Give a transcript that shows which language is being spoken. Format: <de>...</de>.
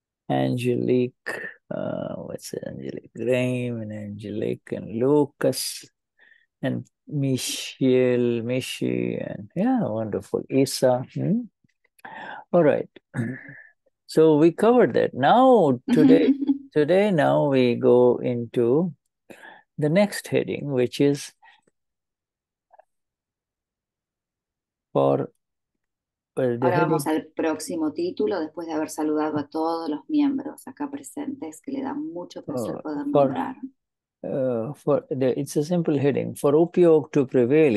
<en>Angelique, Angelique and Lucas and Michi, and yeah, wonderful. Isa. All right. So we covered that. Now, today we go into the next heading, which is</en> <es>Ahora vamos al próximo título, después de haber saludado a todos los miembros acá presentes, que le da mucho placer poder nombrar.</es> <en>It's a simple heading, for Upayoga to prevail.</en>